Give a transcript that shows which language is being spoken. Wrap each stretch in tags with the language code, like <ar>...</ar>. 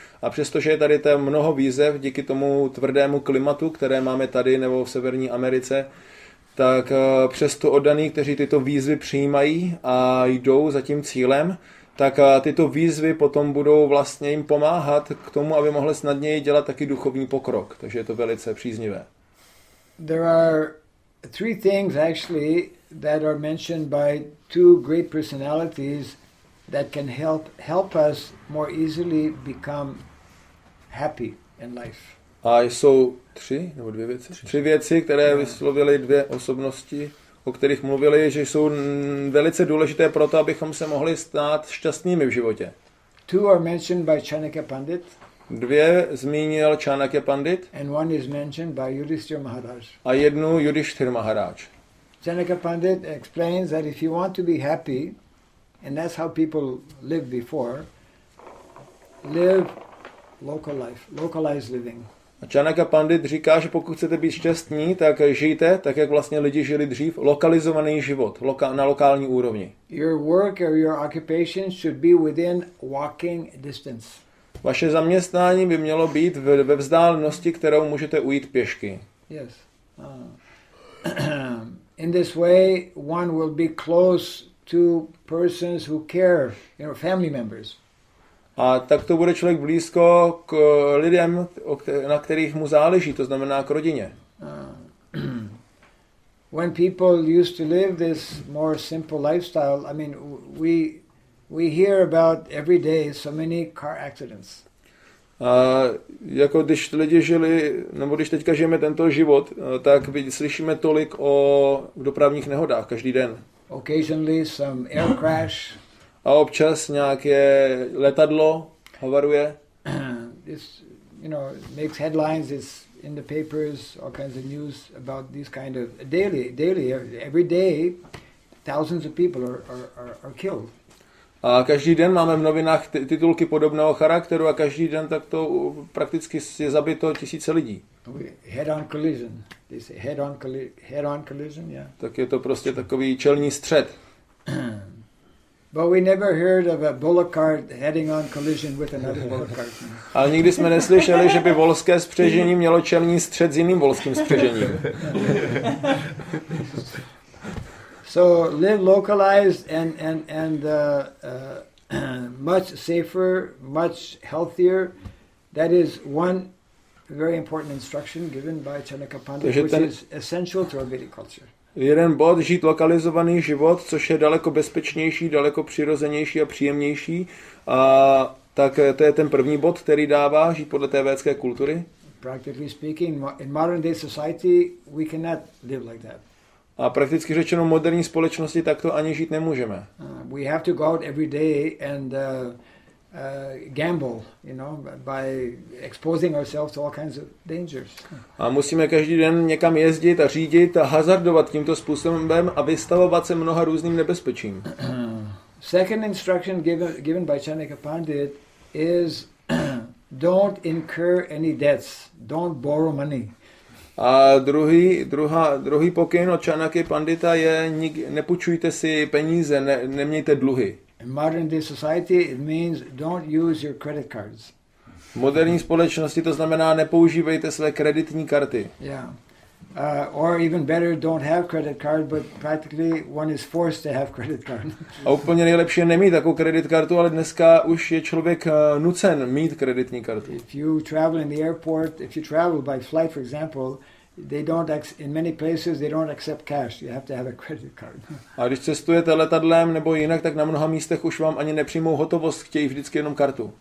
<cs>A přestože je tady mnoho výzev díky tomu tvrdému klimatu, které máme tady nebo v Severní Americe, tak přesto oddaní, kteří tyto výzvy přijímají a jdou za tím cílem, tak tyto výzvy potom budou vlastně jim pomáhat k tomu, aby mohli snadněji dělat taky duchovní pokrok. Takže je to velice příznivé.</cs> <en>There are three things actually that are mentioned by two great personalities that can help us more easily become happy in life.</en> <cs>A jsou tři věci, které vyslovily dvě osobnosti, o kterých mluvili, že jsou velice důležité pro to, abychom se mohli stát šťastnými v životě.</cs> <en>Two are mentioned by Chanakya Pandit.</en> <cs>Dvě zmínil Chanakya Pandit.</cs> <en>And one is mentioned by Yudhishthira Maharaj.</en> <cs>A jednu Yudhishthira Maharaj.</cs> <en>Chanakya Pandit explains that if you want to be happy, and that's how people lived before, live local life, localized living.</en> <cs>A Chanakya Pandit říká, že pokud chcete být šťastní, tak žijte tak, jak vlastně lidi žili dřív, lokalizovaný život, na lokální úrovni.</cs> <en>Your work or your occupation should be within walking distance.</en> <cs>Vaše zaměstnání by mělo být ve vzdálenosti, kterou můžete ujít pěšky.</cs> <en>Yes. In this way, one will be close to persons who care, you know, family members.</en> <cs>A tak to bude člověk blízko k lidem, na kterých mu záleží, to znamená k rodině.</cs> <en>When people used to live this more simple lifestyle, I mean, we hear about every day so many car accidents.</en> <cs>A jako když lidi žili, nebo když teďka žijeme tento život, tak slyšíme tolik o dopravních nehodách každý den.</cs> <en>Occasionally some air crash.</en> <cs>A občas nějaké letadlo havaruje.</cs> <en>This, you know, makes headlines, it's in the papers, all kinds of news about these kind of daily, every day thousands of people are killed.</en> <cs>A každý den máme v novinách titulky podobného charakteru a každý den tak to prakticky je zabito tisíce lidí.</cs> <en>Head on collision, yeah.</en> <cs>Tak je to prostě takový čelní střet.</cs> <en>But we never heard of a bullock cart heading on collision with another bullock cart.</en> <cs>Ale nikdy jsme neslyšeli, že by volské spřežení mělo čelní střet s jiným volským spřežením.</cs> <en>So live localized and much safer, much healthier. That is one very important instruction given by Chanakya Pandit, which is essential to our Vedic culture.</en> <cs>Jeden bod, žít lokalizovaný život, což je daleko bezpečnější, daleko přirozenější a příjemnější. A tak to je ten první bod, který dává žít podle té védské kultury.</cs> <en>Practically speaking, in modern day society, we cannot live like that.</en> <cs>A prakticky řečeno, v moderní společnosti takto ani žít nemůžeme.</cs> <en>We have to go out every day and gamble, you know, by exposing ourselves to all kinds of dangers.</en> <cs>A musíme každý den někam jezdit a řídit a hazardovat tímto způsobem a vystavovat se mnoha různým nebezpečím.</cs> <en>Second instruction given by Chanakya Pandit is don't incur any debts, don't borrow money.</en> <cs>A druhý pokyn od Chanakya Pandita je nepůjčujte si peníze, nemějte dluhy.</cs> <en>In modern day society, it means don't use your credit cards.</en> <cs>V moderní společnosti to znamená nepoužívejte své kreditní karty.</cs> <en>Yeah. Or even better, don't have credit card, but practically one is forced to have credit card.</en> <cs>A úplně nejlepší je nemít takovou kredit kartu, ale dneska už je člověk nucen mít kreditní kartu.</cs> <en>If you travel in the airport, if you travel by flight, for example, in many places they don't accept cash. You have to have a credit card.</en> <cs>A když cestujete letadlem nebo jinak, tak na mnoha místech už vám ani nepřijmou hotovost, chtějí vždycky jenom kartu.</cs>